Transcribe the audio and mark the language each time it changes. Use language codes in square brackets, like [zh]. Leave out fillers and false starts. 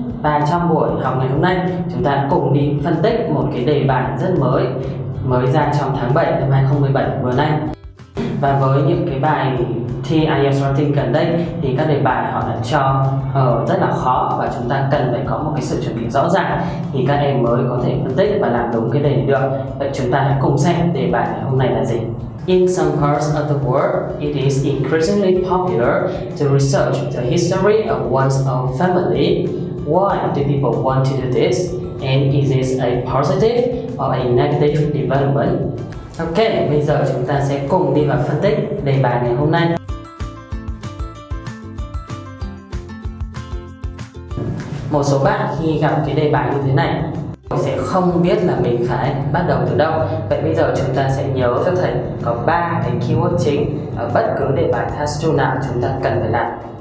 [vi] Và trong buổi học ngày hôm nay, chúng ta cùng đi phân tích một cái đề bài rất mới ra trong tháng 7 năm 2017 vừa nay. Và với những cái bài thi IELTS Writing gần đây thì các đề bài họ đã cho rất là khó và chúng ta cần phải có một cái sự chuẩn bị rõ ràng thì các em mới có thể phân tích và làm đúng cái đề được. Vậy chúng ta hãy cùng xem đề bài ngày hôm nay là gì. [en] In some parts of the world, it is increasingly popular to research the history of one's own family. Why do people want to do this? And is this a positive or a negative development? [vi] Ok, bây giờ chúng ta sẽ cùng đi vào phân tích đề bài ngày hôm nay. Một số bạn khi gặp cái đề bài như thế này sẽ không biết là mình phải bắt đầu từ đâu. Vậy bây giờ chúng ta sẽ nhớ cho thầy có 3 cái keyword chính ở bất cứ đề bài task 2 nào chúng ta cần phải làm.